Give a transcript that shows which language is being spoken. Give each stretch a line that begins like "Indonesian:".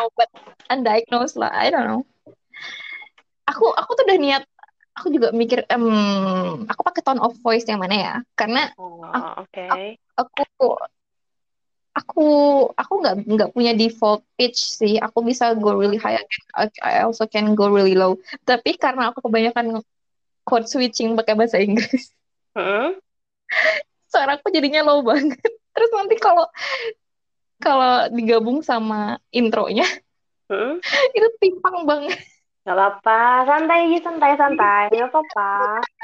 English: know, but undiagnosed lah. I don't know.
Indonesian: Aku tuh udah niat. Aku juga mikir, aku pakai
English: tone of voice
Indonesian: yang mana ya? Karena Oh, oke. aku nggak punya default pitch sih. Aku bisa
English: go really high, I also can go really low.
Indonesian: Tapi karena aku kebanyakan code switching pakai bahasa Inggris, suara aku jadinya low banget. Terus nanti kalau kalau digabung sama intronya, itu timpang banget. Gak apa-apa, santai aja, santai-santai, gak apa-apa.